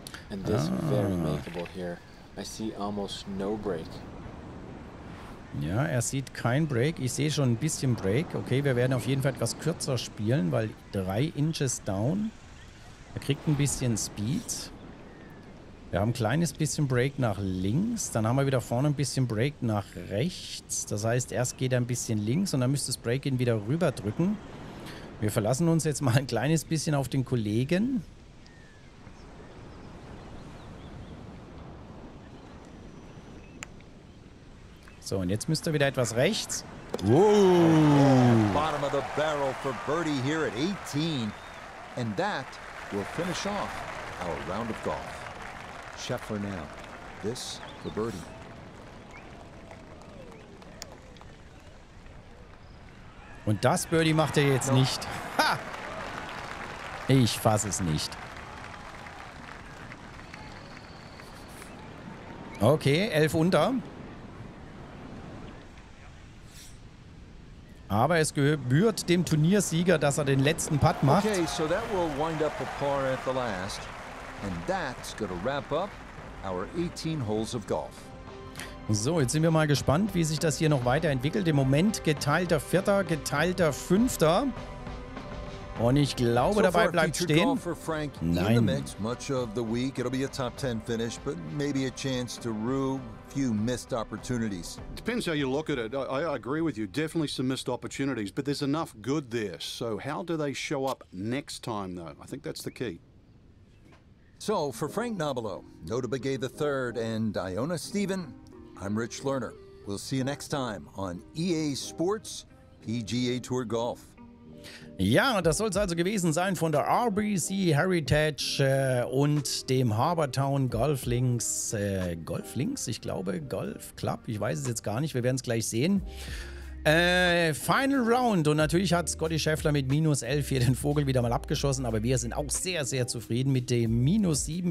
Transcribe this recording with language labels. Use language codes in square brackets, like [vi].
[en] And this very makeable here. I see almost no break. [de] Ja, er sieht kein Break. Ich sehe schon ein bisschen Break. Okay, wir werden auf jeden Fall etwas kürzer spielen, weil [en] 3 inches down. [de] Er kriegt ein bisschen Speed. Wir haben ein kleines bisschen Break nach links, dann haben wir wieder vorne ein bisschen Break nach rechts. Das heißt, erst geht er ein bisschen links und dann müsste das Break-In wieder rüber drücken. Wir verlassen uns jetzt mal ein kleines bisschen auf den Kollegen. So, und jetzt müsste er wieder etwas rechts. [en] Bottom of the barrel for birdie here at 18. And that will finish off our round of golf. Scheffler now. This for birdie. [de] Und das Birdie macht er jetzt nicht. Ha! Ich fass es nicht. Okay, 11 unter. Aber es gebührt dem Turniersieger, dass er den letzten Putt macht. [en] Okay, so that will wind up a par at the last. And that's gonna wrap up our 18 holes of golf. [de] So, jetzt sind wir mal gespannt, wie sich das hier noch weiterentwickelt. Im Moment geteilter Vierter, geteilter Fünfter. Und ich glaube, so dabei bleibt stehen. Frank nein. [en] In the mix, much of the week. It'll be a top 10 finish, but maybe a chance to rue few missed opportunities. Depends how you look at it. I agree with you. Definitely some missed opportunities, but there's enough good there. So how do they show up next time, though? I think that's the key. So, for Frank Nabilo, Nota Begay III, and Iona Steven, I'm Rich Lerner. We'll see you next time on EA Sports PGA Tour Golf. [de] Ja, das soll es also gewesen sein von der RBC Heritage und dem Harbortown Golf Links. Golf Links, ich glaube, Golf Club, ich weiß es jetzt gar nicht, wir werden es gleich sehen. Final Round und natürlich hat Scotty Scheffler mit minus 11 hier den Vogel wieder mal abgeschossen, aber wir sind auch sehr, sehr zufrieden mit dem minus 7.